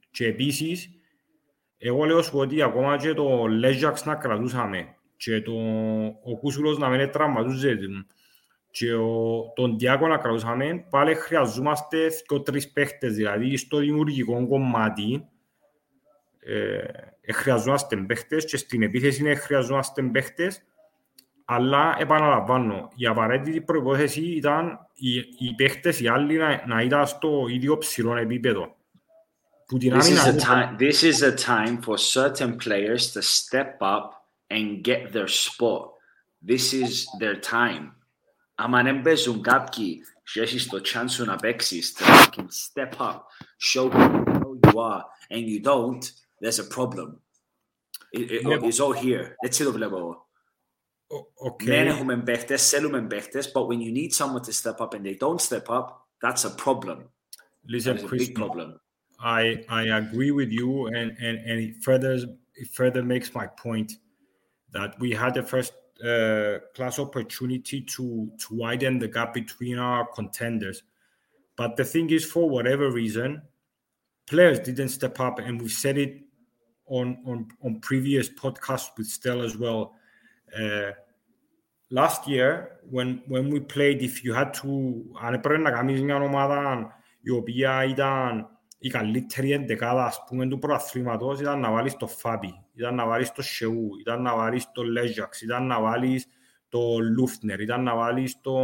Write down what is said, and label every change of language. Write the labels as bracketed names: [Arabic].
[Greek] Και επίσης, εγώ λέω σου ότι ακόμα και το Λέζιαξ να κρατούσαμε και ο Κούσουλος να μην τραυματούσε και τον Τιάκο να κρατούσαμε, πάλι χρειαζόμαστε 2-3 παίχτες, δηλαδή στο δημιουργικό κομμάτι. Χρειαζόμαστε παίχτες και στην επίθεση είναι χρειαζόμαστε παίχτες, αλλά επαναλαμβάνω, η απαραίτητη προϋπόθεση ήταν οι παίχτες οι άλλοι να ήταν στο ίδιο ψηλό επίπεδο [English] This is a time. This is a time for certain players to step up and get their spot. This is their time. [Greek] Άμα δεν παίζουν κάποιοι και έχεις το chance να παίξεις, [English] to fucking step up, show who you are, and you don't, there's a problem. It's all here. [Greek] Έτσι το βλέπω εγώ. [English] Okay. [Greek] Ναι, έχουμε παίχτες, θέλουμε παίχτες, [English] but when you need someone to step up and they don't step up, that's a problem. Listen, that's Chris, a big problem. I agree with you, and it further makes my point that we had the first class opportunity to widen the gap between our contenders. But the thing is, for whatever reason, players didn't step up, and we've said it on previous podcasts with Stell as well. Last year, when we played, if you had to [Greek] αν έπρεπε να κάνεις μια ομάδα η οποία ήταν η καλύτερη εντεκάδα, ας πούμε, του προαθλήματος, ήταν να βάλεις το Φάμπι, ήταν να βάλεις το Σεού, ήταν να βάλεις το Λέζιαξ, ήταν να βάλεις το Λούφνερ, ήταν να βάλεις